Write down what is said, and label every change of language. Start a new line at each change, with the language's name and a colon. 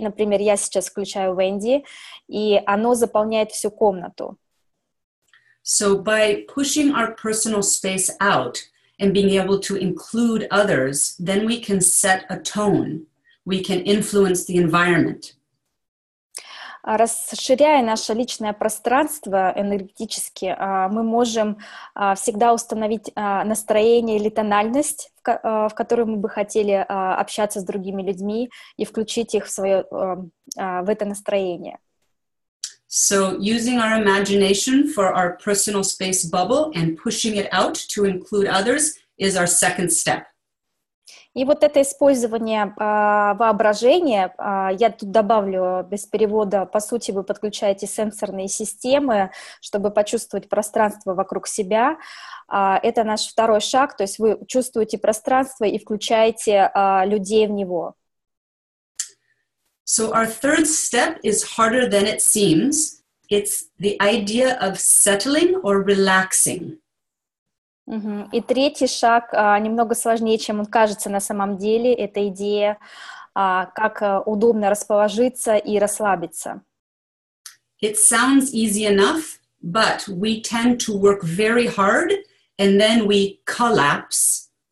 Russian: Например, я сейчас включаю Wendy, и оно заполняет всю комнату.
English: So by pushing our personal space out and being able to include others, then we can set a tone. We can influence the environment.
Russian: Расширяя наше личное пространство энергетически, мы можем всегда установить настроение или тональность, в которой мы бы хотели общаться с другими людьми и включить их в свое в это настроение.
English: So using our imagination for our personal space bubble and pushing it out to include others is our second step.
Russian: И вот это использование воображения, я тут добавлю без перевода, по сути, вы подключаете сенсорные системы, чтобы почувствовать пространство вокруг себя. Это наш второй шаг, то есть вы чувствуете пространство и включаете людей в него.
English: So our third step is harder than it seems. It's the idea of settling or relaxing.
Russian: И третий шаг немного сложнее, чем он кажется на самом деле. Это идея, как удобно расположиться и расслабиться.
English: It sounds easy enough, but we tend to work very hard and then we collapse.